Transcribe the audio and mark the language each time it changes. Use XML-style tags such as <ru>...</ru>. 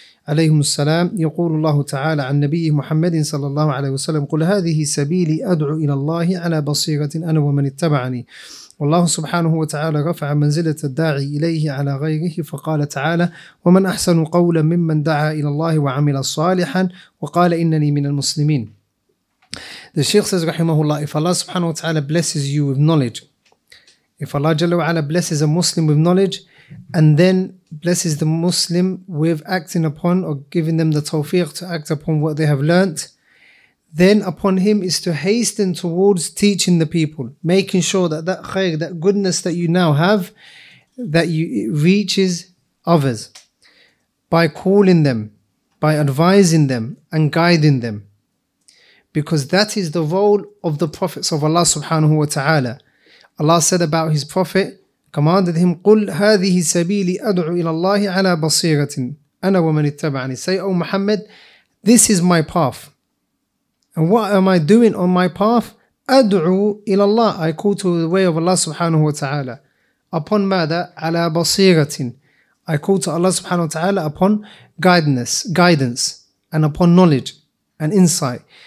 <ar>عليهم السلام يقول الله تعالى عن نبي محمد صلى الله عليه وسلم قل هذه سبيلي أدعو إلى الله على بصيرة أنا ومن اتبعني. والله سبحانه وتعالى رفع منزلة الداعي إليه على غيره فقال تعالى ومن أحسن قولا ممن دعا إلى الله وعمل صالحا وقال إنني من المسلمين.</ar> <en>The Shaykh says</en> <ar>رحمه الله,</ar> <en>if Allah</en> <ar>سبحانه وتعالى</ar> <en>blesses you with knowledge, if Allah</en> <ar>جل وعلا</ar> <en>blesses a Muslim with knowledge and then blesses the Muslim with acting upon or giving them the tawfiq to act upon what they have learnt, then upon him is to hasten towards teaching the people, making sure that that khair, that goodness that you now have, that you, it reaches others by calling them, by advising them and guiding them. Because that is the role of the prophets of Allah subhanahu wa ta'ala. Allah said about his prophet, commanded him,</en> <ar>قُلْ هَذِهِ سَبِيلِ أَدْعُ إِلَى اللَّهِ عَلَى بَصِيرَةٍ أَنَا وَمَنِ اتَّبَعَنِي.</ar> <en>Say, O Muhammad, this is my path. And what am I doing on my path?</en> <ar>أَدْعُ إِلَى اللَّهِ.</ar> <en>I call to the way of Allah subhanahu wa ta'ala. Upon</en> <ar>ماذا? عَلَى بَصِيرَةٍ.</ar> <en>I call to Allah subhanahu wa ta'ala upon guidance, and upon knowledge and insight.</en>